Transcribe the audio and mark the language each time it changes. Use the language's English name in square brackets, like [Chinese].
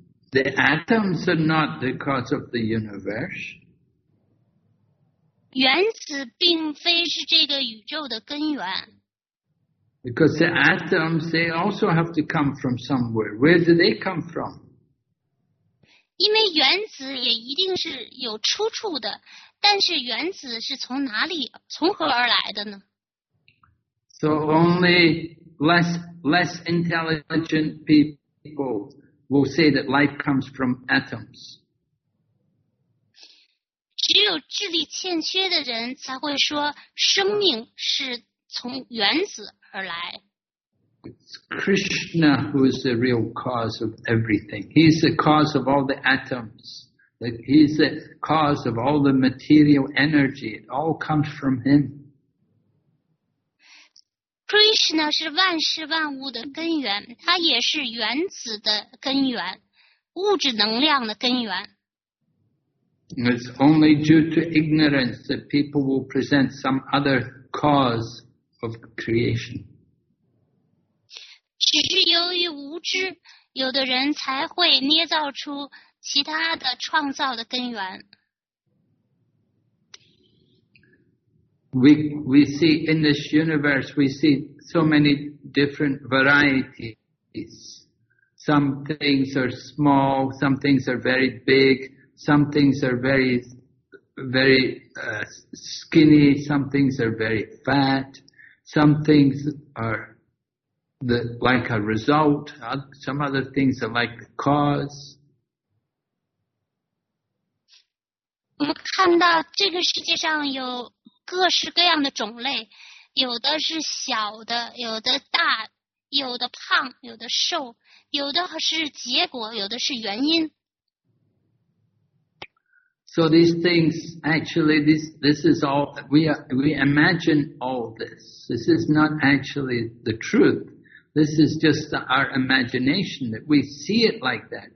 [English] ？The atoms are not the cause of the universe. [Chinese] 原子并非是这个宇宙的根源。 [English] Because the atoms, they also have to come from somewhere. Where do they come from? [Chinese] 因为原子也一定是有出处的，但是原子是从哪里从何而来的呢？ [English] So only less intelligent people will say that life comes from atoms. [Chinese] 只有智力欠缺的人才会说生命是从原子而来。 [English] It's Krishna who is the real cause of everything. He is the cause of all the atoms. He is the cause of all the material energy. It all comes from him. [Chinese] Krishna 是万事万物的根源，他也是原子的根源，物质能量的根源。 [English] It's only due to ignorance that people will present some other cause of creation. [Chinese] 只是由于无知，有的人才会捏造出其他的创造的根源。 [English] We see in this universe, we see so many different varieties. Some things are small, some things are very big, some things are very, very skinny, some things are very fat, some things are like a result, some other things are like a cause. [Chinese] 我们看到这个世界上有各式各样的种类，有的是小的，有的大，有的胖，有的瘦，有的是结果，有的是原因。 [English] So these things, actually, this is all, we imagine all this. This is not actually the truth. This is just our imagination that we see it like that.